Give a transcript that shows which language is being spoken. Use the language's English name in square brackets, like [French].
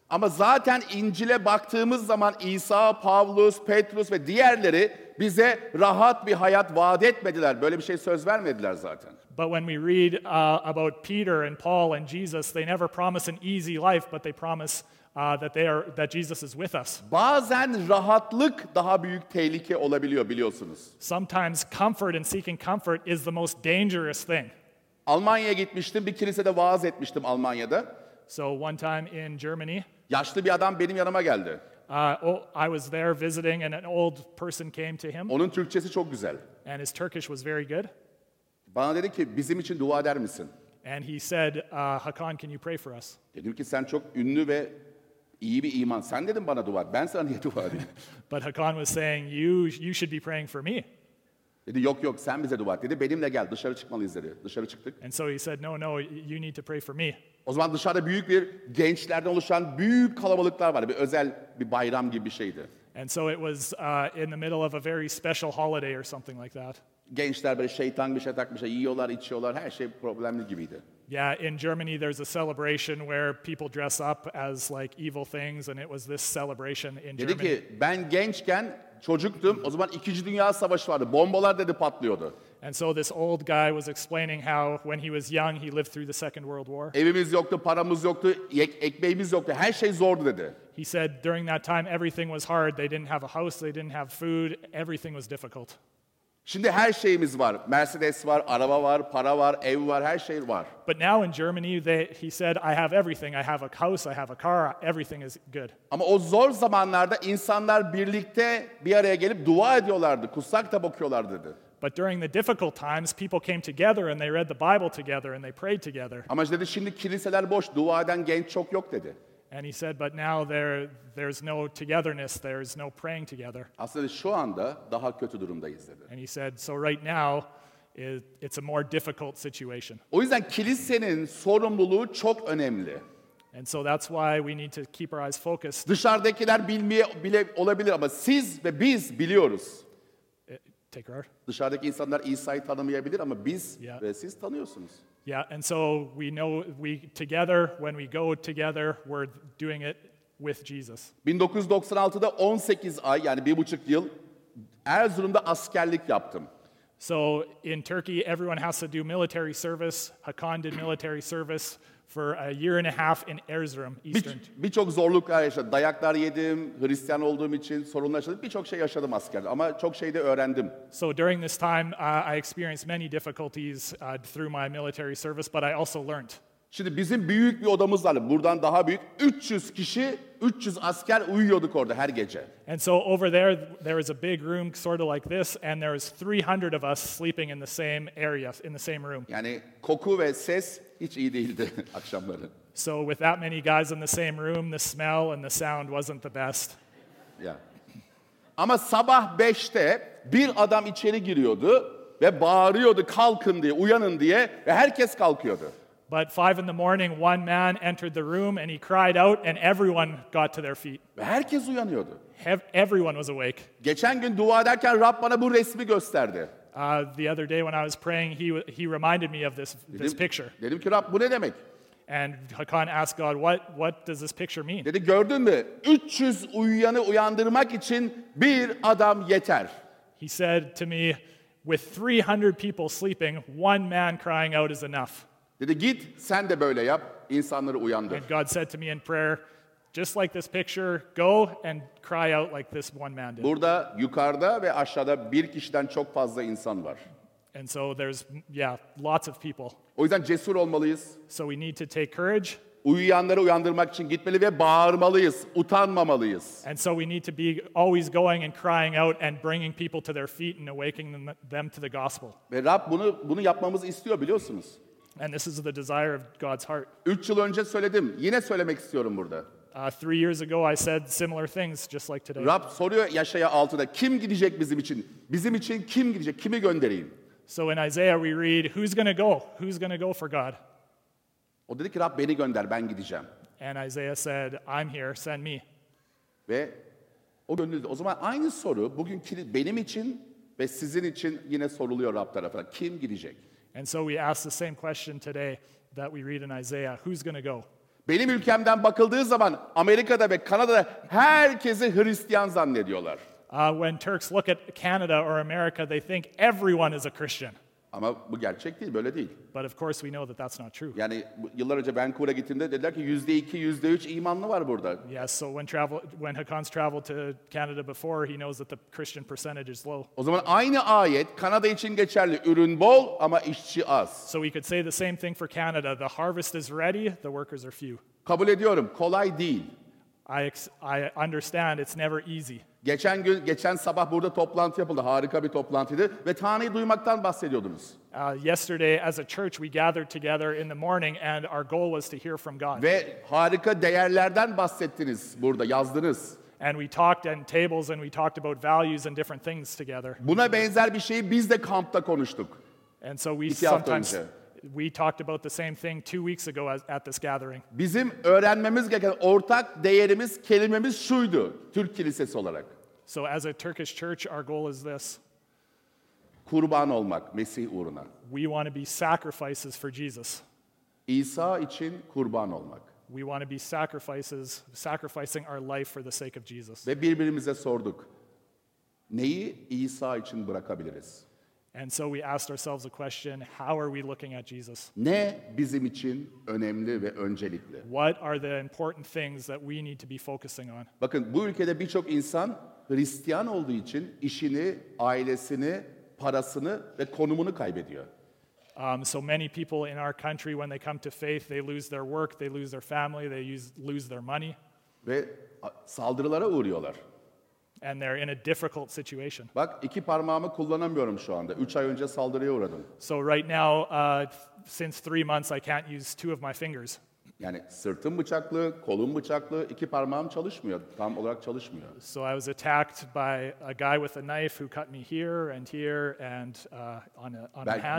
[Turkish] Ama zaten İncil'e baktığımız zaman İsa, Pavlus, Petrus ve diğerleri bize rahat bir hayat vaat etmediler. Böyle bir şey söz vermediler zaten. [English] But when we read about Peter and Paul and Jesus, they never promise an easy life, but they promise that Jesus is with us. [Turkish] Bazen rahatlık daha büyük tehlike olabiliyor, biliyorsunuz. [English] Sometimes comfort and seeking comfort is the most dangerous thing. [Turkish] Almanya'ya gitmiştim, bir kilisede vaaz etmiştim Almanya'da. [English] So one time in Germany, [Turkish] yaşlı bir adam benim yanıma geldi. [English] I was there visiting and an old person came to him. [Turkish] Onun Türkçesi çok güzel. [English] And his Turkish was very good. [Turkish] Bana dedi ki, bizim için dua eder misin? [English] And he said, Hakan, can you pray for us? [Turkish] Dedim ki, sen çok ünlü ve iyi bir iman. Sen dedin bana dua, ben sana niye dua edeyim? [English] But Hakan was saying, you should be praying for me. [Turkish] Dedi, yok, sen bize dua et. Dedi, benimle gel, dışarı çıkmalıyız dedi. Dışarı çıktık. [English] And so he said, no, you need to pray for me. [Turkish] O zaman dışarıda büyük bir gençlerden oluşan büyük kalabalıklar vardı. Bir özel, bir bayram gibi bir şeydi. [English] And so it was in the middle of a very special holiday or something like that. [Turkish] Gençler böyle şeytan bir şey takmış, yiyorlar, içiyorlar, her şey problemli gibiydi. [English] Yeah, in Germany there's a celebration where people dress up as like evil things and it was this celebration in [Turkish] dedi [English] Germany. [Turkish] Dedi ki, ben gençken, çocuktum, o zaman İkinci Dünya Savaşı vardı, bombalar dedi patlıyordu. [English] And so this old guy was explaining how when he was young he lived through the Second World War. [Turkish] Evimiz yoktu, paramız yoktu, ekmeğimiz yoktu, her şey zordu dedi. [English] He said during that time everything was hard, they didn't have a house, they didn't have food, everything was difficult. [Turkish] Şimdi her şeyimiz var. Mercedes var, araba var, para var, ev var, her şey var. [English] But now in Germany, he said, I have everything. I have a house, I have a car, everything is good. [Turkish] Ama o zor zamanlarda insanlar birlikte bir araya gelip dua ediyorlardı, kutsal kitap okuyorlardı dedi. [English] But during the difficult times, people came together and they read the Bible together and they prayed together. [Turkish] Ama dedi, şimdi kiliseler boş, dua eden genç çok yok dedi. [English] And he said, but now there's no togetherness, there's no praying together. [Turkish] Aslında şu anda daha kötü durumdayız dedi. [English] And he said, so right now, it's a more difficult situation. [Turkish] O yüzden kilisenin sorumluluğu çok önemli. [English] And so that's why we need to keep our eyes focused. [Turkish] Dışarıdakiler bile olabilir ama siz ve biz biliyoruz. Tekrar. Dışarıdaki insanlar İsa'yı tanımayabilir ama biz ve siz tanıyorsunuz. [English] Yeah, and so we know we together when we go together we're doing it with Jesus. [Turkish] 1996'da 18 ay yani 1,5 yıl Erzurum'da askerlik yaptım. [English] So in Turkey everyone has to do military service. Hakan did military service for a year and a half in Erzurum, Eastern. [Turkish] Birçok zorluklar yaşadım. Dayaklar yedim. Hristiyan olduğum için sorunlar yaşadım. Birçok şey yaşadım askerde ama çok şey de öğrendim. [English] So during this time I experienced many difficulties through my military service but I also learned. [Turkish] Şimdi bizim büyük bir odamız vardı. Buradan daha büyük. 300 kişi, 300 asker uyuyorduk orada her gece. [English] And so over there there is a big room sort of like this and there is 300 of us sleeping in the same area in the same room. [Turkish] Yani koku ve ses hiç iyi değildi akşamları. [English] So with that many guys in the same room, the smell and the sound wasn't the best. [Turkish] Yeah. Ama sabah 5'te bir adam içeri giriyordu. ve bağırıyordu kalkın diye, uyanın diye ve herkes kalkıyordu. [English] But 5 in the morning, one man entered the room and he cried out and everyone got to their feet. [Turkish] Ve herkes uyanıyordu. [English] Everyone was awake. [Turkish] Geçen gün dua ederken Rab bana bu resmi gösterdi. [English] The other day when I was praying, he reminded me of this picture. [Turkish] Dedim ki Rab bu ne demek? [English] And Hakan asked God, what does this picture mean? [Turkish] Dedi gördün mü? 300 uyuyanı uyandırmak için bir adam yeter. [English] He said to me, with 300 people sleeping, one man crying out is enough. [Turkish] Dedi git sen de böyle yap, insanları uyandır. [English] And God said to me in prayer, just like this picture, go and cry out like this one man did. [Turkish] Burada yukarıda ve aşağıda bir kişiden çok fazla insan var. [English] And so there's, yeah, lots of people. [Turkish] O yüzden cesur olmalıyız. [English] So we need to take courage. [Turkish] Uyuyanları uyandırmak için gitmeli ve bağırmalıyız, utanmamalıyız. [English] And so we need to be always going and crying out and bringing people to their feet and awakening them to the gospel. [Turkish] Ve Rab bunu yapmamızı istiyor biliyorsunuz. [English] And this is the desire of God's heart. [Turkish] 3 yıl önce söyledim, yine söylemek istiyorum burada. [English] 3 years ago I said similar things just like today. [Turkish] Rab soruyor Yaşaya 6'da kim gidecek bizim için? Bizim için kim gidecek? Kimi göndereyim? [English] So in Isaiah we read, who's going to go? Who's going to go for God? [Turkish] O dedi ki Rab beni gönder, ben gideceğim. [English] And Isaiah said, I'm here, send me. [Turkish] Ve o gönderdi. O zaman aynı soru bugün benim için ve sizin için yine soruluyor Rab tarafından. Kim gidecek? [English] And so we ask the same question today that we read in Isaiah, who's going to go? [Turkish] Benim ülkemden bakıldığı zaman Amerika'da ve Kanada'da herkesi Hristiyan zannediyorlar. [English] When Turks look at Canada or America, they think everyone is a Christian. [Turkish] Ama bu gerçek değil, böyle değil. [English] But of course we know that that's not true. [Turkish] Yani yıllar önce Vancouver'a gittiğimde dediler ki %2, %3 imanlı var burada. [English] Yes, so when Hakan's traveled to Canada before, he knows that the Christian percentage is low. [Turkish] O zaman aynı ayet Kanada için geçerli. Ürün bol ama işçi az. [English] So we could say the same thing for Canada. The harvest is ready, the workers are few. [Turkish] Kabul ediyorum, kolay değil. [English] I understand it's never easy. [Turkish] Geçen gün, geçen sabah burada toplantı yapıldı. Harika bir toplantıydı. Ve Tanrı'yı duymaktan bahsediyordunuz. [English] Yesterday, as a church, we gathered together in the morning and our goal was to hear from God. [Turkish] Ve harika değerlerden bahsettiniz burada, yazdınız. [English] And we talked at tables and we talked about values and different things together. [Turkish] Buna benzer bir şeyi biz de kampta konuştuk. [English] And so we sometimes... We talked about the same thing 2 weeks ago at this gathering. [Turkish] Bizim öğrenmemiz gereken ortak değerimiz, kelimemiz şuydu, Türk Kilisesi olarak. [English] So as a Turkish church, our goal is this. [Turkish] Kurban olmak Mesih uğruna. [English] We want to be sacrifices for Jesus. [Turkish] İsa için kurban olmak. [English] We want to be sacrifices, sacrificing our life for the sake of Jesus. [Turkish] Ve birbirimize sorduk. Neyi İsa için bırakabiliriz? [English] And so we asked ourselves a question, how are we looking at Jesus? [Turkish] Ne bizim için önemli ve öncelikli? [English] What are the important things that we need to be focusing on? [Turkish] Bakın bu ülkede birçok insan Hristiyan olduğu için işini, ailesini, parasını ve konumunu kaybediyor. [English] So many people in our country when they come to faith, they lose their work, they lose their family, they lose their money. [Turkish] Ve saldırılara uğruyorlar. [English] And they're in a difficult situation. [Turkish] Bak, iki parmağımı kullanamıyorum şu anda. 3 ay önce saldırıya uğradım. [English] So right now, since 3 months, I can't use 2 of my fingers. [Turkish] Yani sırtım bıçaklı, kolum bıçaklı, iki parmağım çalışmıyor, tam olarak çalışmıyor. [English] So I was attacked by a guy with a knife who cut me here and here and on a hand.